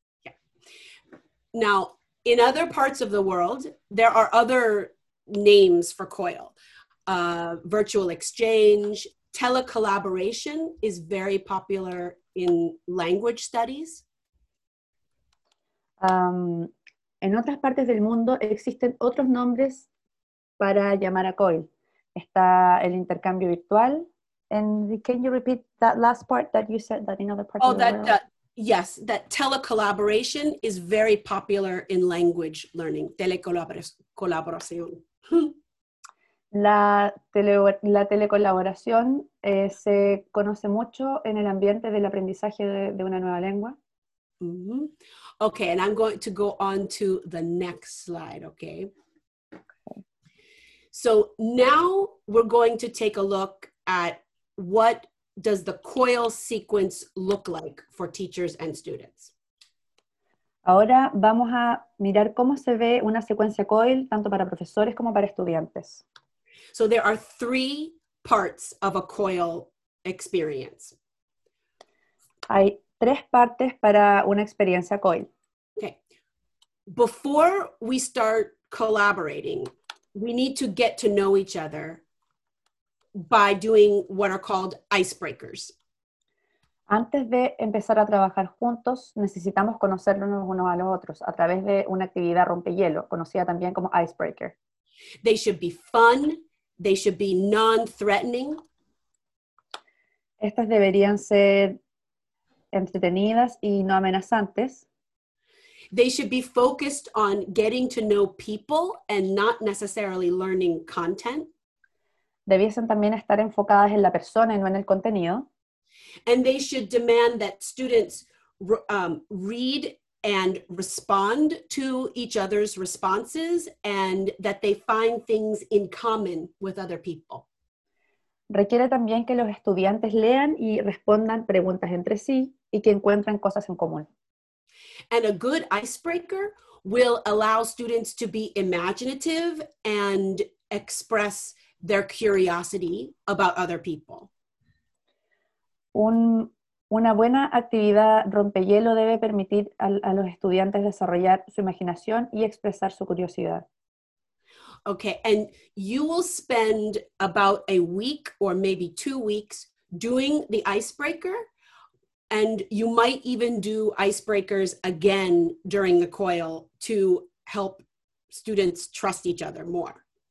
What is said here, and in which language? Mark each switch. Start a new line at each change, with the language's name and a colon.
English: Yeah. Now, in other parts of the world, there are other names for COIL. Virtual exchange, telecollaboration is very popular in language studies.
Spanish: En otras partes del mundo existen otros nombres para llamar a COIL. Está el intercambio virtual.
English: And can you repeat that last part that you said that in other parts of the world? Yes, that telecollaboration is very popular in language learning.
Spanish: Telecolaboración. La telecolaboración se conoce mucho en el ambiente del aprendizaje de una nueva lengua. Mm-hmm.
English: Okay, and I'm going to go on to the next slide, okay? So now we're going to take a look at what does the COIL sequence look like for teachers and students.
Spanish: Ahora vamos a mirar cómo se ve una secuencia COIL tanto para profesores como para estudiantes.
English: So there are three parts of a COIL experience.
Spanish: Hay tres partes para una experiencia COIL.
English: Okay. Before we start collaborating, we need to get to know each other by doing what are called icebreakers.
Spanish: Antes de empezar a trabajar juntos, necesitamos conocernos unos a los otros a través de una actividad rompehielo, conocida también como icebreaker.
English: They should be fun. They should be non-threatening.
Spanish: Estas deberían ser entretenidas y no amenazantes.
English: They should be focused on getting to know people and not necessarily learning content.
Spanish: Debiesen también estar enfocadas en la persona y no en el contenido.
English: And they should demand that students read and respond to each other's responses and that they find things in common with other people.
Spanish: Requiere también que los estudiantes lean y respondan preguntas entre sí y que encuentren cosas en común.
English: And a good icebreaker will allow students to be imaginative and express their curiosity about other people.
Spanish: Una buena actividad rompehielo debe permitir a los estudiantes desarrollar su imaginación y expresar su curiosidad.
English: Okay, and you will spend about a week or maybe 2 weeks doing the icebreaker, and you might even do icebreakers again during the COIL to help students trust each other more.